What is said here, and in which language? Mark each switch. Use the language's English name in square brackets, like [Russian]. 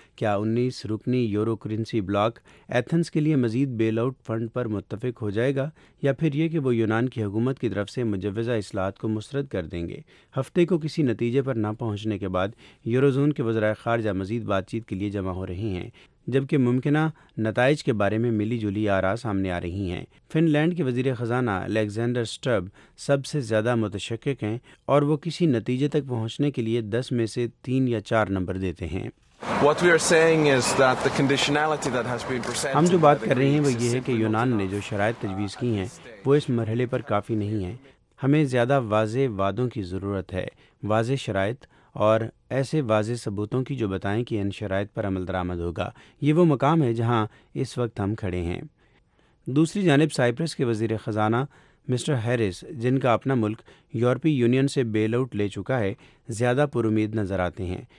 [Urdu] کیا 19 رکنی euro currency block Athens کے لیے مزید بیل آؤٹ فنڈ پر متفق ہو جائے گا یا پھر یہ کہ وہ یونان کی حکومت کی طرف سے مجوزہ اصلاحات کو مسترد کر دیں گے؟ ہفتے کو کسی نتیجے پر نہ پہنچنے کے بعد یورو زون کے وزرائے خارجہ مزید بات چیت کے لیے جمع ہو رہی ہیں جبکہ ممکنہ نتائج کے بارے میں ملی جلی آرا سامنے آ رہی ہیں. فن لینڈ کے وزیر خزانہ الیگزینڈر سٹرب سب سے زیادہ متشکک ہیں اور وہ کسی نتیجے تک پہنچنے کے لیے 10 میں سے 3 یا 4 نمبر دیتے ہیں. [English] What we are saying is that the conditionality that has been presented, [Urdu] ہم جو بات کر رہے ہیں وہ یہ ہے کہ یونان نے جو شرائط تجویز کی ہیں وہ اس مرحلے پر کافی نہیں ہیں. ہمیں زیادہ واضح وعدوں کی ضرورت ہے, واضح شرائط اور ایسے واضح ثبوتوں کی جو بتائیں کہ ان شرائط پر عمل درآمد ہوگا. یہ وہ مقام ہے جہاں اس وقت ہم کھڑے ہیں. دوسری جانب سائپرس کے وزیر خزانہ مسٹر ہیریس, جن کا اپنا ملک یورپی یونین سے بیل آؤٹ لے چکا ہے, زیادہ پر امید نظر آتے ہیں.